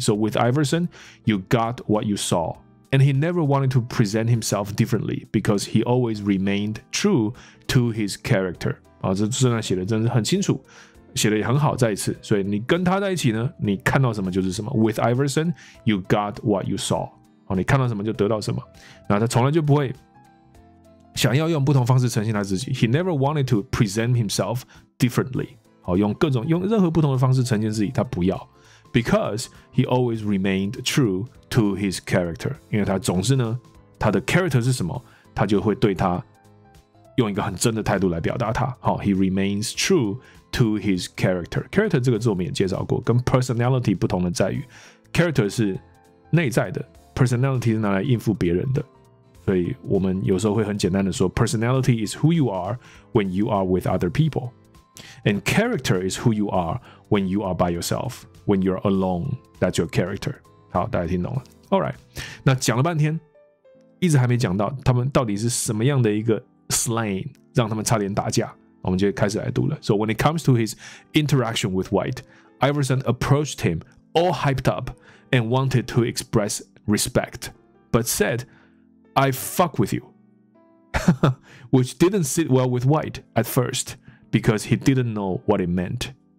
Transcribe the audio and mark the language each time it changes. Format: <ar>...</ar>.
<en>So with Iverson you got what you saw and he never wanted to present himself differently because he always remained true to his character，</en> <zh>哦，这字上写的真的很清楚，写得也很好，再一次，所以你跟他在一起呢，你看到什么就是什么。</zh> <en>With Iverson, you got what you saw。</en> <zh>哦，你看到什么就得到什么。那他从来就不会想要用不同方式呈现他自己。</zh> <en>He never wanted to present himself differently。</en> <zh>哦，用各种用任何不同的方式呈现自己，他不要。</zh> <en>Because he always remained true to his character。</en> <zh>因为他总是呢，他的 character 是什么，他就会对他用一个很真的态度来表达他。哦，</zh> <en>he remains true。To his character.</en> <zh>Character 这个字我们也介绍过，跟 personality 不同的在于 ，character 是内在的 ，personality 是拿来应付别人的。所以我们有时候会很简单的说</zh> <en>，personality is who you are when you are with other people, and character is who you are when you are by yourself. When you're alone, that's your character.</en> <zh>好，大家听懂了</zh> <en>？All right.</en> <zh>那讲了半天，一直还没讲到他们到底是什么样的一个 slang， 让他们差点打架。我们就开始来读了。</zh> <en>So when it comes to his interaction with White, Iverson approached him all hyped up and wanted to express respect, but said, "I fuck with you," which didn't sit well with White at first because he didn't know what it meant.</en>